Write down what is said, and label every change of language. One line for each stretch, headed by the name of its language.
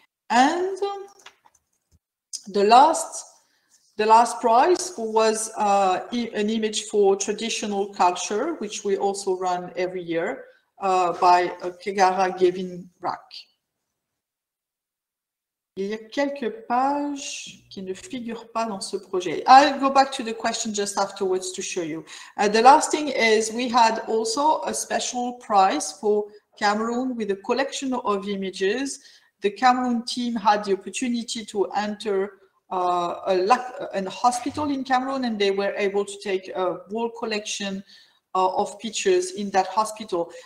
English: And the last prize was an image for traditional culture, which we also run every year, by Kegara Gavin Rack.
French: Il y a quelques pages qui ne figurent pas dans ce projet.
English: I'll go back to the question just afterwards to show you. The last thing is we had also a special prize for Cameroon with a collection of images. The Cameroon team had the opportunity to enter a hospital in Cameroon, and they were able to take a whole collection of pictures in that hospital.